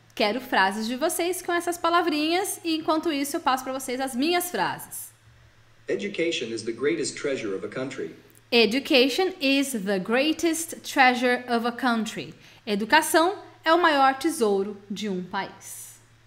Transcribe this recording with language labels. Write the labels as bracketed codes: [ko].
[pt] Quero frases de vocês com essas palavrinhas e enquanto isso eu passo para vocês as minhas frases. [en] Education is the greatest treasure of a country. Education is the greatest treasure of a country. [pt] Educação é o maior tesouro de um país.